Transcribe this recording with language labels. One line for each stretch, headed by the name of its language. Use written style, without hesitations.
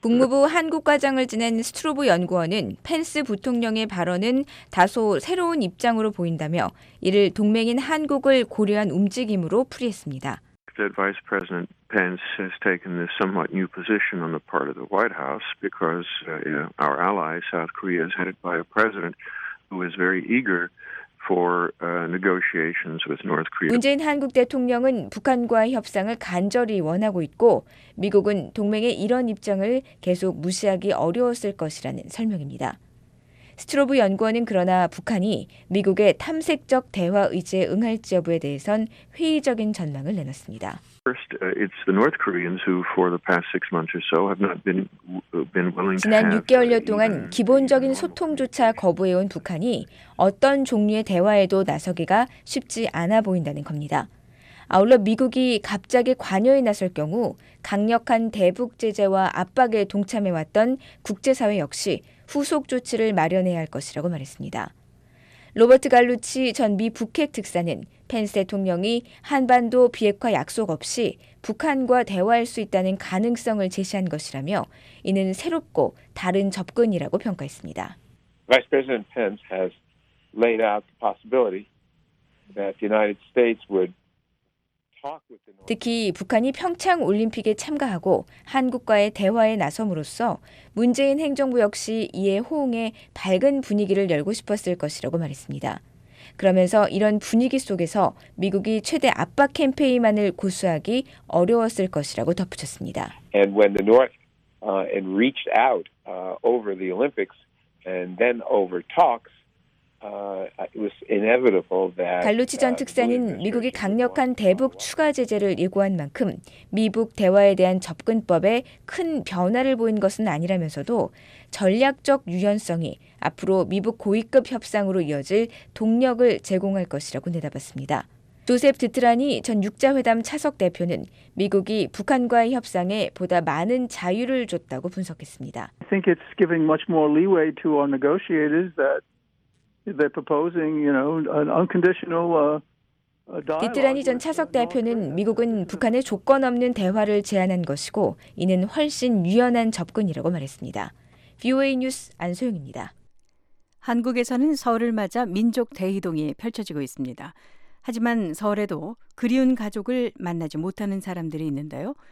Korean: 국무부 한국과장을 지낸 스트로브 연구원은 펜스 부통령의 발언은 다소 새로운 입장으로 보인다며 이를 동맹인 한국을 고려한 움직임으로 풀이했습니다.
English: Vice President Pence has taken this somewhat new position on the part of the White House because our ally South Korea is headed by a president who is very eager for negotiations with North Korea.
Korean: 문재인 한국 대통령은 북한과의 협상을 간절히 원하고 있고 미국은 동맹의 이런 입장을 계속 무시하기 어려웠을 것이라는 설명입니다. 스트로브 연구원은 그러나 북한이 미국의 탐색적 대화 의지에 응할지 여부에 대해선 회의적인 전망을 내놨습니다.
English: First, it's the North Koreans who, for the past six months or so, have not been willing to.
Korean: 지난 6개월여 동안 기본적인 소통조차 거부해온 북한이 어떤 종류의 대화에도 나서기가 쉽지 않아 보인다는 겁니다. 아울러 미국이 갑자기 관여에 나설 경우 강력한 대북 제재와 압박에 동참해왔던 국제사회 역시 후속 조치를 마련해야 할 것이라고 말했습니다. 로버트 갈루치 전 미 북핵 특사는 펜스 대통령이 한반도 비핵화 약속 없이 북한과 대화할 수 있다는 가능성을 제시한 것이라며 이는 새롭고 다른 접근이라고 평가했습니다.
English: Vice President Pence has laid out the possibility that the United States would
Korean: 특히 북한이 평창올림픽에 참가하고 한국과의 대화에 나섬으로써 문재인 행정부 역시 이에 호응해 밝은 분위기를 열고 싶었을 것이라고 말했습니다. 그러면서 이런 분위기 속에서 미국이 최대 압박 캠페인만을 고수하기 어려웠을 것이라고 덧붙였습니다.
English: And when the North and reached out over the Olympics and then over talks, It was inevitable that
Korean: 갈루치 전 특사는 미국이 강력한 대북 추가 제재를 예고한 만큼 미북 대화에 대한 접근법에 큰 변화를 보인 것은 아니라면서도 전략적 유연성이 앞으로 미북 고위급 협상으로 이어질 동력을 제공할 것이라고 내다봤습니다. 조셉 드트라니 전 6자회담 차석 대표는 미국이 북한과의 협상에 보다 많은 자유를 줬다고 분석했습니다.
English: I think it's giving much more leeway to our negotiators that They're proposing, you know, an unconditional dialogue.
Korean: 디트라니 전 차석 대표는 미국은 북한의 조건 없는 대화를 제안한 것이고 이는 훨씬 유연한 접근이라고 말했습니다. VOA 뉴스 안소영입니다. 한국에서는 설을 맞아 민족 대이동이 펼쳐지고 있습니다. 하지만 설에도 그리운 가족을 만나지 못하는 사람들이 있는데요.